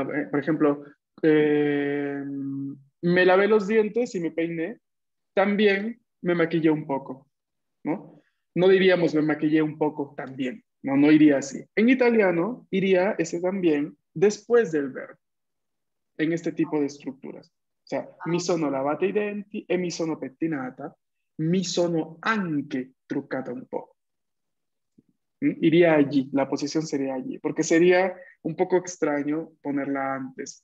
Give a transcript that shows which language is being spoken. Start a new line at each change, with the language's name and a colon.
Spanish: Por ejemplo, me lavé los dientes y me peiné, también me maquillé un poco, ¿no? No diríamos, me maquillé un poco también, ¿no? No iría así. En italiano iría ese también después del verbo, en este tipo de estructuras.
Italian: O sea, mi sono lavata i denti e mi sono pettinata, mi sono anche truccata un poco.
Spanish: Iría allí, la posición sería allí, porque sería un poco extraño ponerla antes.